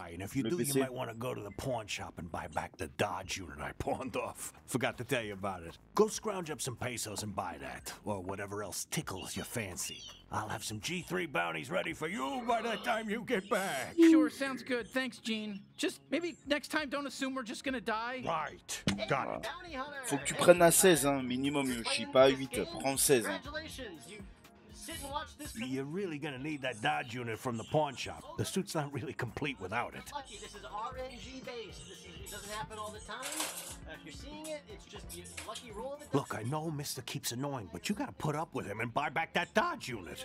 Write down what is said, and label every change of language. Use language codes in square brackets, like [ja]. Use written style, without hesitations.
[en] And if you do, you might want to go to the pawn shop and buy back the Dodge unit I pawned off. Forgot to tell you about it. Go scrounge up some pesos and buy that. Or whatever else tickles your fancy. I'll have some G3 bounties ready for you by the time you get back. Sure, sounds good. Thanks, Gene. Just maybe next time don't assume we're just gonna die. Right. Got it. [fr] Faut que tu prennes à 16, hein, minimum, Yoshi. Pas à 8, prends 16. [en] Congratulations, you sit and watch this. You're really gonna need that Dodge unit from the pawn shop. The suit's not really complete without it. Lucky, this is RNG based. It doesn't happen all the time. If you're seeing it, it's just your lucky roll of the dice. Look, I know Mr. keeps annoying, but you gotta put up with him and buy back that Dodge unit.